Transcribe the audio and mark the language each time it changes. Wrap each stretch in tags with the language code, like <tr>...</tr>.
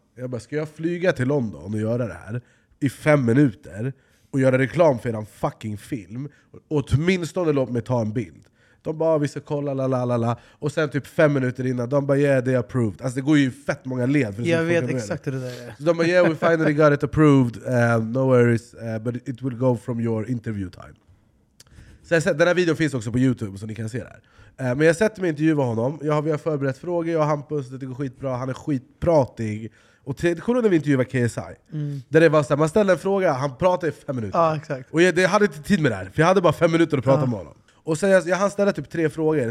<sv>Jag bara, ska jag flyga till London och göra det här i 5 minuter och göra reklam för en fucking film? Och åtminstone låt mig ta en bild. De bara, vi ska kolla, lalalala. Och sen typ 5 minuter innan, de bara,</sv> <en>yeah, they approved.</en> <sv>Alltså det går ju fett många led. För jag vet exakt hur det där är. Så de bara,</sv> <en>yeah, we finally got it approved. No worries, but it will go from your interview time.</en> <sv>Så jag sett, den här videon finns också på YouTube, så ni kan se det här. Men jag sätter mig och intervjuar honom. Vi har förberett frågor, jag och Hampus, det går skitbra. Han är skitpratig. Och tredje när vi intervjuar KSI. Där det var så här, man ställer en fråga, han pratar i 5 minuter. Ja, exakt. Och jag hade inte tid med det här, för jag hade bara 5 minuter att prata med honom. Och sen jag hann ställa typ 3 frågor.</sv>